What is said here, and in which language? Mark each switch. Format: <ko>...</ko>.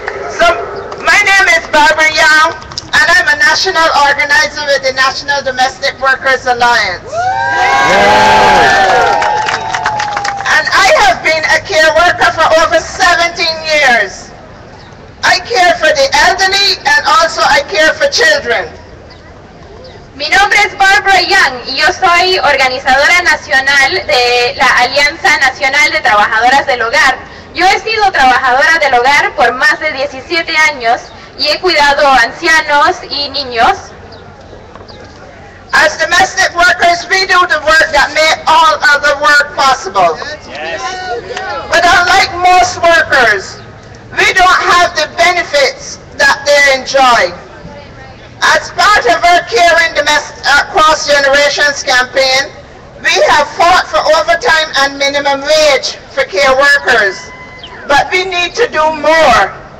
<en>So, my name is Barbara Young, and I'm a national organizer with the National Domestic Workers Alliance. And I have been a care worker for over 17 years. I care for the elderly, and also I care for children.</en> <es>Mi nombre es Barbara Young y yo soy organizadora nacional de la Alianza Nacional de Trabajadoras del Hogar. Yo he sido trabajadora del hogar por más de 17 años y he cuidado ancianos y niños.</es> <en>As domestic workers, we do the work that made all other work possible. Yes. But unlike most workers, we don't have the benefits that they enjoy. As part of our Caring Cross Generations campaign, we have fought for overtime and minimum wage for care workers. But we need to do more</en>